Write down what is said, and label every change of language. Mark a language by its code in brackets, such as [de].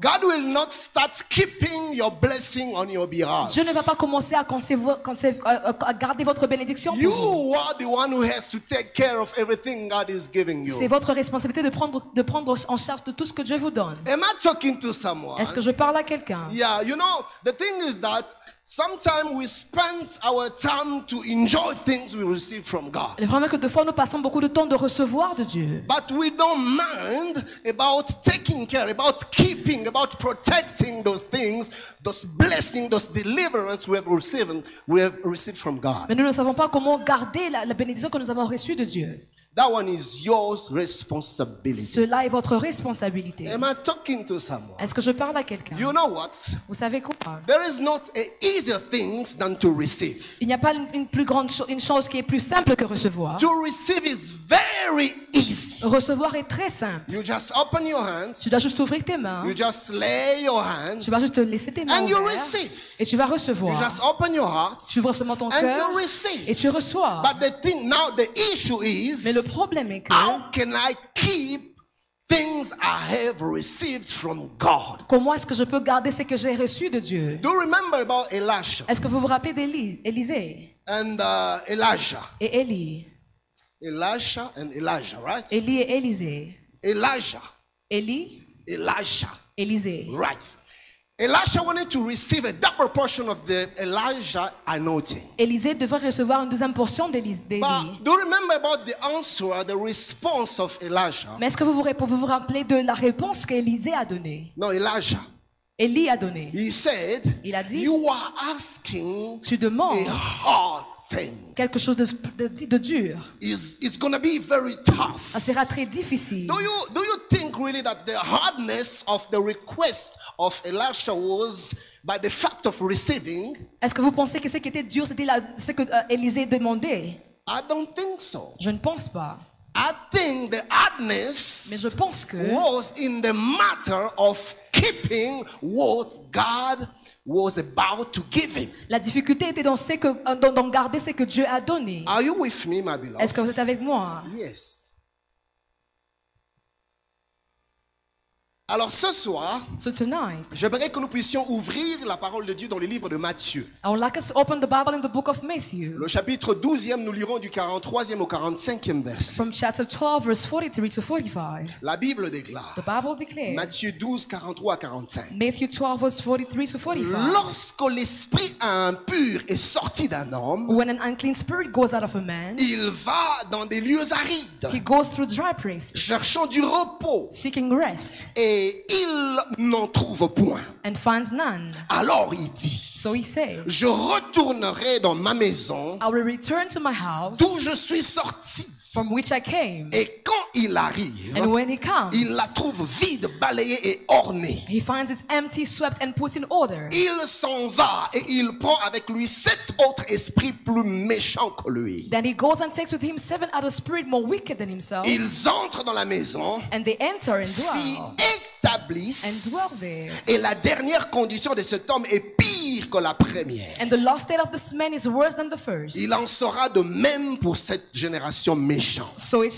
[en] God will not start keeping your blessing on your behalf. [fr] Dieu ne va pas commencer à garder votre bénédiction pour [en] you [fr] vous. [en] You are the one who has to take care of everything God is giving you. [fr] C'est votre responsabilité de prendre en charge de tout ce que Dieu vous donne. [en] Am I talking to someone? [fr] Est-ce que je parle à quelqu'un? [en] Yeah, you know, the thing is that sometimes we spend our time to enjoy things we receive from God. [fr] Le problème est que des fois nous passons beaucoup de temps de recevoir de Dieu. [en] But we don't mind about taking care, about keeping, about protecting those things, those blessings, those deliverance we have received from God. [fr] Mais nous ne savons pas comment garder la bénédiction que nous avons reçue de Dieu. [en] That one is your responsibility. [fr] Cela est votre responsabilité. [en] Am I talking to someone? [fr] Est-ce que je parle à quelqu'un? [en] You know what? [fr] Vous savez quoi? [en] There is not an easier thing than to receive. [fr] Il n'y a pas une chose qui est plus simple que recevoir. [en] To receive is very easy. [fr] Recevoir est très simple. [en] You just open your hands. [fr] Tu dois juste ouvrir tes mains. [en] You just lay your hands. [fr] Tu vas juste laisser tes mains. [en] And you receive. [fr] Et tu vas recevoir. [en] You just open your heart. [fr] Tu ouvres seulement ton cœur. [en] And you receive. [fr] Et tu reçois. [en] But the thing now, the issue is. [fr] Le problème est que [en] how can I keep things I have received from God? [fr] Comment est-ce que je peux garder ce que j'ai reçu de Dieu? [en] Do you remember about Elisha? [fr] Est-ce que vous vous rappelez d'Élisée? [en] And Elijah. [fr] Et Élie. [en] Elisha and Elijah, right? [fr] Élie et Élisée. [en] Elijah. [fr] Élie. [en] Elisha. [fr] Élisée. [en] Right. Elisha wanted to receive a double portion of the Elijah anointing. [fr] Élisée devait recevoir une deuxième portion d'Élie. [en] But do you remember about the answer, the response of Elijah? [fr] Mais est-ce que vous vous rappelez de la réponse qu'Élisée a donnée? [en] No, Elijah. [fr] Élie a donné. [en] He said, [fr] il a dit, [en] you are asking [fr] tu demandes [en] a hard thing. [fr] Quelque chose de dur. [en] It's going to be very tough. [fr] Ça sera très difficile. [en] Do you think really that the hardness of the request of Elisha was by the fact of receiving? [fr] Est-ce que vous pensez que ce qui était dur c'était ce que Élisée demandait? [en] I don't think so. [fr] Je ne pense pas. [en] I think the hardness [fr] mais je pense que [en] was in the matter of keeping what God was about to give him. [fr] La difficulté était dans ce que dans garder ce que Dieu a donné. [en] Are you with me, my beloved? [fr] Est-ce que vous êtes avec moi? [en] Yes. [fr] Alors ce soir, [en] so tonight, [fr] j'aimerais que nous puissions ouvrir la parole de Dieu dans le livre de Matthieu. [en] I would like us to open the Bible in the book of Matthew. [fr] Le chapitre 12e, nous lirons du 43e au 45e verset. [en] From chapter 12, verse 43 to 45. [fr] La Bible déclare. [en] The Bible declares. [fr] Matthieu 12, 43 à 45. [en] Matthew 12, verse 43 to 45. [fr] Lorsque l'esprit impur est sorti d'un homme, [en] when an unclean spirit goes out of a man, [fr] il va dans des lieux arides, [en] he goes through dry places, [fr] cherchant du repos, [en] seeking rest, [fr] et il n'en trouve point. [en] And finds none. [fr] Alors il dit, [en] so he said, [fr] je retournerai dans ma maison, [en] I will return to my house, [fr] d'où je suis sorti. [en] From which I came. [fr] Et quand il arrive, [en] and when he comes, [fr] il la trouve vide, balayée et ornée. [en] He finds it empty, swept and put in order. [fr] Il s'en va et il prend avec lui sept autres esprits plus méchants que lui. [en] Then he goes and takes with him seven other spirits more wicked than himself. [fr] Ils entrent dans la maison. [en] And they enter and dwell. [fr] S'y établissent l'établisse. Et la dernière condition de cet homme est pire que la première. Il en sera de même pour cette génération méchante.